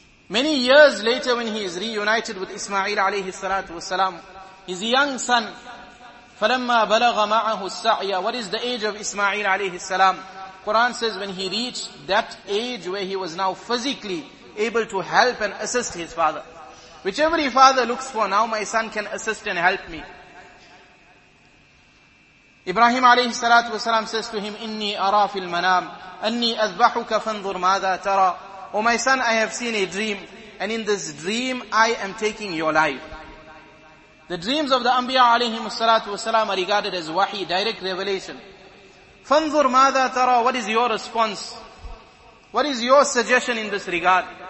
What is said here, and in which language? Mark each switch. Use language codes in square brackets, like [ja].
[en] Many years later when he is reunited with Ismail alayhi salatu wasalam, his young son, [ar] فَلَمَّا بَلَغَ مَعَهُ السَّعْيَ. [en] What is the age of Ismail alayhi salam? Quran says when he reached that age where he was now physically able to help and assist his father. Which every father looks for, now my son can assist and help me. Ibrahim alayhi salatu wasalam says to him, [ar] إِنِّي أَرَى فِي الْمَنَامِ أَنِّي أَذْبَحُكَ فَانْظُرْ مَاذَا تَرَى. [en] O my son, I have seen a dream, and in this dream I am taking your life. The dreams of the Anbiya alayhim salatu wasalam are regarded as wahi, direct revelation. [ar] فَانْظُرْ مَاذَا تَرَى. [en] What is your response? What is your suggestion in this regard?